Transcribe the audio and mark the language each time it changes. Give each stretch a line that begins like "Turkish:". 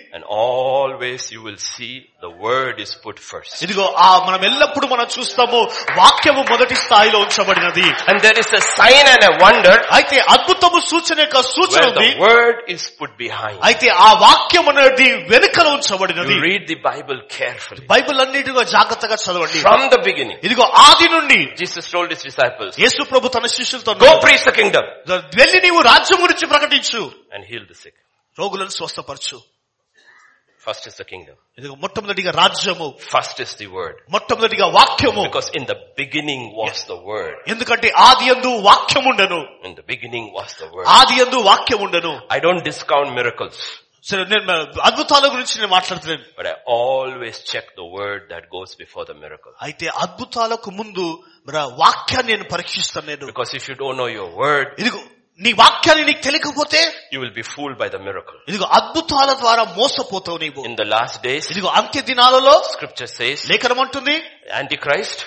English: And always you will see the word is put first.
Telugu: ఇదిగో ఆ మనం ఎల్లప్పుడూ మనం చూస్తాము వాక్యము మొదటి స్థాయిలో ఉంచబడినది.
English: And there is a sign and a wonder.
Telugu: అయితే అద్భుతము సూచన యొక్క సూచన ఉంది.
English: The word is put behind.
Telugu: అయితే ఆ వాక్యము అనేది వెనుకలో ఉంచబడినది.
English: You read the Bible carefully.
Telugu: Bible అన్నిటిగా జాగ్రత్తగా చదవండి.
English: From the beginning.
Telugu: ఇదిగో ఆది నుండి.
English: Jesus told his disciples.
Telugu: యేసు ప్రభు తన శిష్యులతో
English: Go preach the kingdom.
Telugu: వెళ్లి నీవు రాజ్యం గురించి ప్రకటించు.
English: And heal the sick.
Telugu: రోగులను స్వస్థపరచు.
English: First is the kingdom.
Telugu: ఇదిగో మొట్టమొదటిగా రాజ్యము.
English: First is the word.
Telugu: మొట్టమొదటిగా వాక్యము.
English: Because in the beginning was the word.
Telugu: ఎందుకంటే ఆదియందు వాక్యముండెను.
English: In the beginning was the word.
Telugu: ఆదియందు వాక్యముండెను.
English: I don't discount miracles.
Telugu: సరే నేను అద్భుతాల గురించి నేను మాట్లాడుతున్నాను.
English: But I always check the word that goes before the miracle.
Telugu: అయితే అద్భుతాలకు ముందు మన వాక్యాన్ని నేను పరీక్షిస్తున్నాను.
English: Because if you don't know your word.
Telugu: ఇదిగో నీ వాక్యాన్ని నీకు తెలియకపోతే
English: You will be fool by the miracle.
Telugu: ఇదిగో అద్భుతాల ద్వారా మోసపోతావు నీవు.
English: In the last days.
Telugu: ఇదిగో అంత్య దినాలలో
English: Scripture says.
Telugu: లేఖనం అంటుంది.
English: Antichrist.